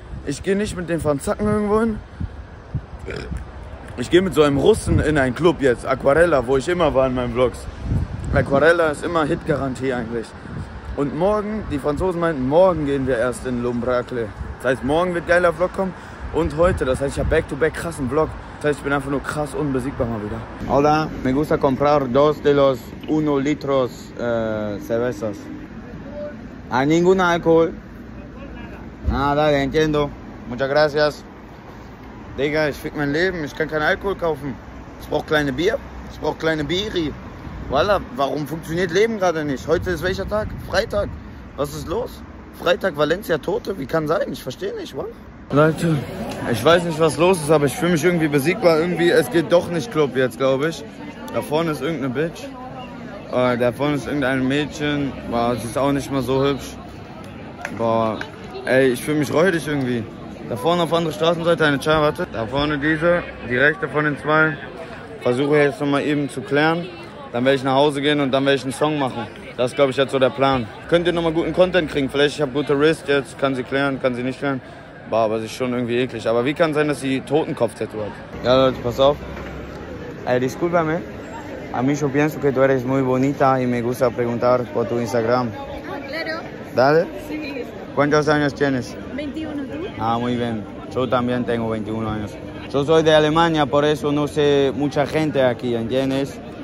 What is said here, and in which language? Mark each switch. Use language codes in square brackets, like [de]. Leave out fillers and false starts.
[de] Ich gehe nicht mit den Franzacken irgendwo hin. Ich gehe mit so einem Russen in einen Club jetzt, Aquarella, wo ich immer war in meinen Vlogs. Aquarella ist immer Hitgarantie eigentlich. Und morgen, die Franzosen meinten, morgen gehen wir erst in Lumbracle. Das heißt, morgen wird geiler Vlog kommen. Und heute, das heißt, ich habe back-to-back krassen Vlog. Das heißt, ich bin einfach nur krass unbesiegbar mal wieder. [es] Hola, me gusta comprar dos de los uno litros cervezas. A ningún alcohol. Nada, entiendo. Muchas gracias. [de] Digga, ich fick mein Leben. Ich kann keinen Alkohol kaufen. Ich brauch kleine Bier. Ich brauch kleine Biri. Voila, warum funktioniert Leben gerade nicht? Heute ist welcher Tag? Freitag. Was ist los? Freitag, Valencia, Tote. Wie kann sein? Ich verstehe nicht, voila. Leute, ich weiß nicht, was los ist, aber ich fühle mich irgendwie besiegbar. Irgendwie, es geht doch nicht Club jetzt, glaube ich. Da vorne ist irgendeine Bitch. Da vorne ist irgendein Mädchen. Boah, sie ist auch nicht mal so hübsch. Boah, ey, ich fühle mich räudig irgendwie. Da vorne auf andere Straßenseite eine Chai, warte. Da vorne diese, die rechte von den zwei. Versuche jetzt nochmal eben zu klären. Dann werde ich nach Hause gehen und dann werde ich einen Song machen. Das, glaube ich, jetzt so der Plan. Könnt ihr nochmal guten Content kriegen? Vielleicht, ich habe gute Wrist jetzt. Kann sie klären, kann sie nicht klären. Boah, aber sie ist schon irgendwie eklig. Aber wie kann es sein, dass sie Totenkopf-Tattoo hat? Ja, Leute, pass auf. [es] Discúlpame. A mí yo pienso que tú eres muy bonita y me gusta preguntar por tu Instagram. Claro. Dale. Sí. ¿Cuántos años tienes? 21, ¿tú? Ah, muy bien. Yo también tengo 21 años. Yo soy de Alemania, por eso no sé mucha gente aquí, ¿entiendes?